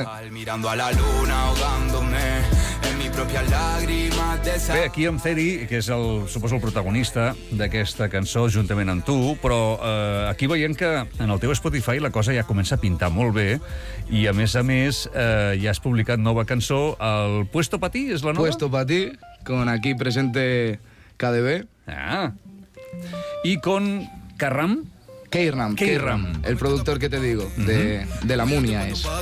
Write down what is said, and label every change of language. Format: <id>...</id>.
<es>Mirando a la luna ahogándome en mi propia lágrima de sal.</es> <ca>Bé, aquí amb Ceri, que és suposo el protagonista d'aquesta cançó juntament amb tu, però aquí veiem que en el teu Spotify la cosa ja comença a pintar molt bé i a més ja has publicat nova cançó, el Puesto Pa Ti, és la nova?</ca> <es>Puesto Pa Ti, con aquí presente KDB.</es> <ca>Ah! I con Karram?</ca> <es>K-Ram, el productor que te digo, de la Múnia és.</es>